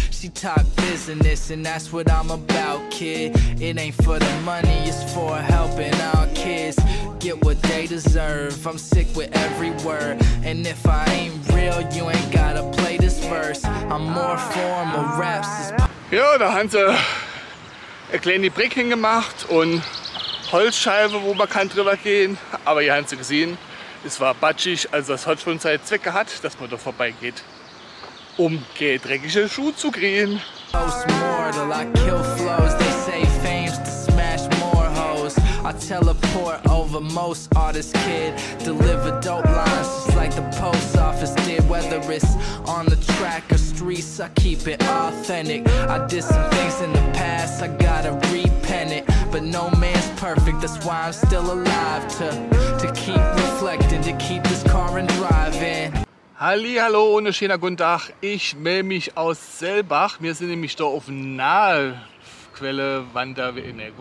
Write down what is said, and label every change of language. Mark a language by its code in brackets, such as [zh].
[en] She talk business, and that's what I'm about, kid. It ain't for the money, it's for helping our kids get what they deserve. I'm sick with every word, and if I ain't real, you ain't gotta play this verse. I'm more formal, raps is... Yo, the Hunter. [de] Eine kleine Brücke hingemacht und Holzscheibe, wo man kann drüber gehen. Aber ihr habt sie gesehen, es war batschig, also das hat schon seinen Zweck gehabt, dass man da vorbeigeht, um keine dreckige Schuhe zu kriegen. [en] Most mortal, I kill flows, they say fame's to smash more hoes. I teleport over most artists, kid. Deliver dope lines just like the post office did. Whether it's on the track or streets, I keep it authentic. I did some things in the past, I gotta repent it. But no man's perfect, that's why I'm still alive. To keep reflecting, to keep this car and driving. [de] Hallihallo und einen schönen guten Tag. Ich melde mich aus Selbach. Wir sind nämlich da auf Nahquelle Wanderweg.